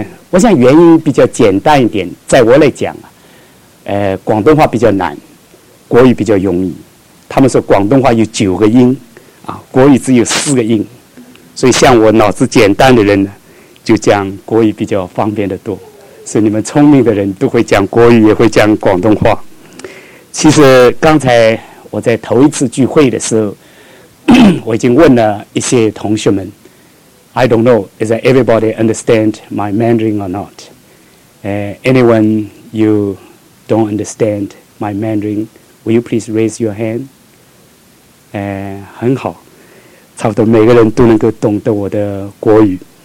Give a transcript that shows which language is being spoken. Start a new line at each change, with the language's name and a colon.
Chinese: 我想原因比较简单一点，在我来讲广东话比较难，国语比较容易。他们说广东话有九个音啊，国语只有四个音，所以像我脑子简单的人呢就讲国语比较方便的多，所以你们聪明的人都会讲国语也会讲广东话。其实刚才我在头一次聚会的时候我已经问了一些同学们，
English: I don't know is that everybody understand my Mandarin or not, anyone you don't understand my Mandarin will you please raise your hand。
Chinese: 很好，差不多每个人都能够懂得我的国语。